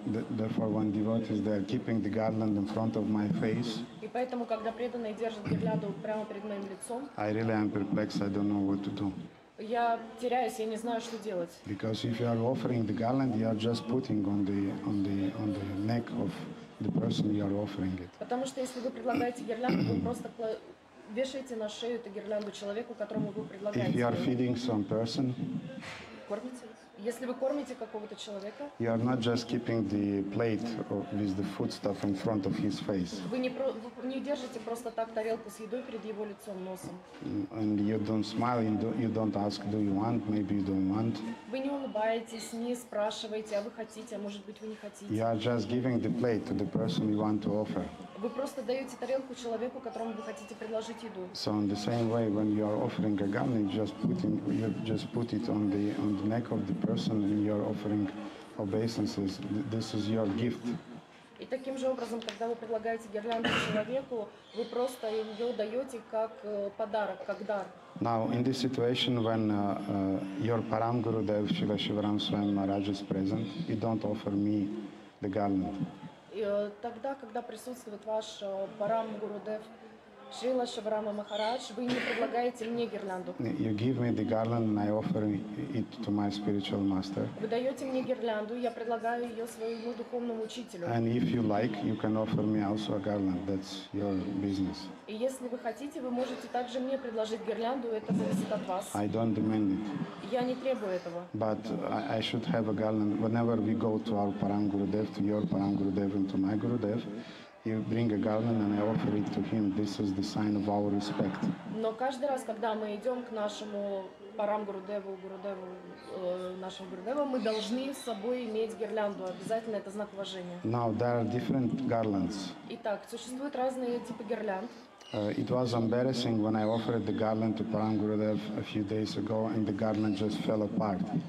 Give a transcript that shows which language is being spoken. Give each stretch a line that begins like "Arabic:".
English: Therefore, when devotees are keeping the garland in front of my face.
Russian: И поэтому, когда преданные держат гирлянду прямо перед моим лицом.
English: I really am perplexed. I don't know what to do.
Russian: Я теряюсь, я не знаю, что делать.
English: Because if you are offering the garland, you are just putting on the on the on the neck of the person you are offering it.
Russian: Потому что если вы предлагаете гирлянду, вы просто вешаете на шею эту гирлянду человеку, которому вы предлагаете.
English: If you are feeding some person.
Russian: Кормите. Если вы кормите какого-то человека,
English: you are not just keeping the plate with the food stuff in front of his face.
Russian: Вы не держите просто так тарелку с едой перед его лицом, носом.
English: And you don't smile, you don't ask, do you want, maybe you don't want.
Russian: Вы не улыбаетесь, не спрашиваете, а вы хотите, а может быть вы не хотите.
English: You are just giving the plate to the person you want to offer.
Russian: Вы просто даете тарелку человеку, которому вы хотите предложить еду.
English: So in the same way, when you are offering a gun, you just put it on the neck of the person and you are offering obeisances. This is your gift.
Russian: И таким же образом, когда вы предлагаете гирлянду человеку, вы просто ее даете как подарок, как дар.
English: Now in this situation, when your param guru Dev Shiva Shivaram Swami Maharaj is present, you don't offer me the garland.
Russian: И тогда, когда присутствует ваш Парам Гурудев Шрила Шиварама Махарадж, вы не предлагаете мне гирлянду.
English: You give me the garland and I offer it to my spiritual master.
Russian: Вы даете мне гирлянду, я предлагаю ее своему духовному учителю.
English: And if you like, you can offer me also a garland. That's your business.
Russian: И если вы хотите, вы можете также мне предложить гирлянду, это зависит от вас.
English: I don't demand it.
Russian: Я не требую этого.
English: But I should have a garland. Whenever we go to our Param Gurudev, to your Param Gurudev and to my Gurudev, you bring a garland and I offer it to him. This is the sign of our respect.
Russian: Но каждый раз, когда мы идем к нашему Парам Гурудеву, Гурудеву, нашему Гурудеву, мы должны с собой иметь гирлянду. Обязательно это знак уважения.
English: Now there are different garlands.
Russian: Итак, существуют разные типы гирлянд.
English: It was embarrassing when I offered the garland to Param Gurudev a few days ago and the garland just fell apart.